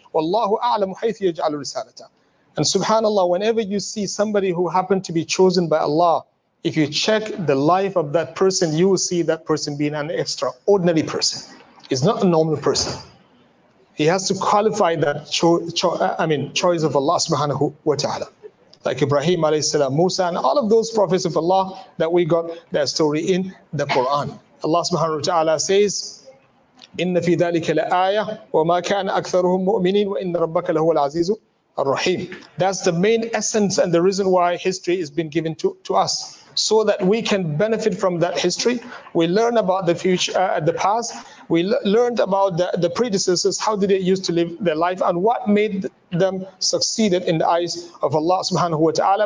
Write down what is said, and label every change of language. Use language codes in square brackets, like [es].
[en] Wallahu a'lamu haythi yaj'alu risalata. And subhanallah, whenever you see somebody who happened to be chosen by Allah, if you check the life of that person, you will see that person being an extraordinary person. He's not a normal person. He has to qualify that choice of Allah subhanahu wa ta'ala. Like Ibrahim alayhi salam, Musa, and all of those prophets of Allah that we got their story in the Quran. [ar] Allah subhanahu wa ta'ala [en] says, [ar] إِنَّ فِي ذَلِكَ لَآيَةٌ وَمَا كَانَ أَكْثَرُهُمْ مُؤْمِنِينَ وَإِنَّ رَبَّكَ لَهُوَ الْعَزِيزُ الرَّحِيمُ. [en] That's the main essence and the reason why history has been given to us, so that we can benefit from that history. We learn about the future, the past. We learned about the predecessors. How did they used to live their life, and what made them succeeded in the eyes of Allah subhanahu wa ta'ala.